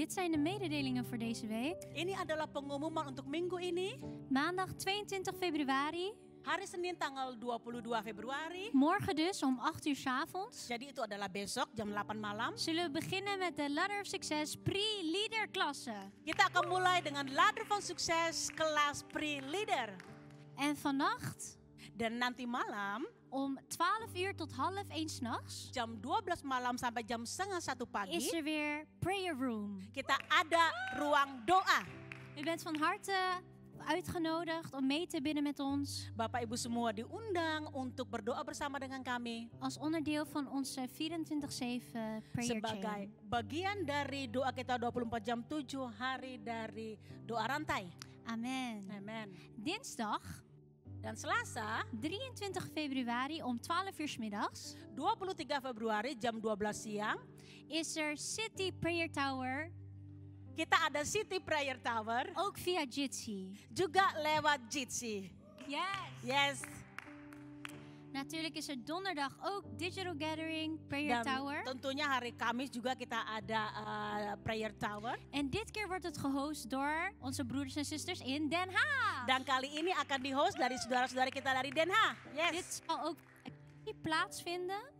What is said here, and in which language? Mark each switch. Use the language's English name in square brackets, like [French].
[Dutch] de mededelingen voor deze week. [Indonesian] Ini adalah pengumuman untuk minggu ini. [Dutch] Maandag 22 februari. [Indonesian] Hari Senin tanggal 22 Februari. [Dutch] Morgen dus om 8 uur 's avonds. [Indonesian] Jadi itu adalah besok jam 8 malam. [Dutch] Zullen we beginnen met de Ladder of Success pre-leader klasse. [Indonesian] Kita akan mulai dengan Ladder van Succes kelas pre-leader. [Dutch] En vannacht. [Indonesian] Dan nanti malam. [Dutch] Om 12 uur tot 12:30 s'nachts. [Indonesian] Jam 12 malam sampai jam 12:30 pagi. [Dutch] Is er weer prayer room. [Indonesian] Kita ada ruang doa. [Dutch] U bent van harte uitgenodigd om mee te bidden met ons. [Indonesian] Bapak Ibu semua diundang untuk berdoa bersama dengan kami. [Dutch] Als onderdeel van onze 24/7 prayer chain. [Indonesian] Sebagai bagian dari doa kita 24 jam 7 hari dari doa rantai. [Dutch] Amen. [Indonesian] Amen. [Dutch] Dinsdag. [Indonesian] Dan Selasa. [Dutch] 23 Februari om 12 uur 's middags. [Indonesian] 23 Februari jam 12 siang. [Dutch] Is er City Prayer Tower. [Indonesian] Kita ada City Prayer Tower. [Dutch] Ook via Jitsi. [Indonesian] Juga lewat Jitsi. Yes. Yes. [Dutch] Natuurlijk is er donderdag ook Digital Gathering Prayer Tower. [Indonesian] Tentunya hari Kamis juga kita ada Prayer Tower. [Dutch] En dit keer wordt het gehost door onze broeders en zusters in Den Haag. [Indonesian] Dan kali ini akan dihost dari saudara-saudari kita dari Den Haag. Yes. [Dutch] Dit zal ook plaatsvinden.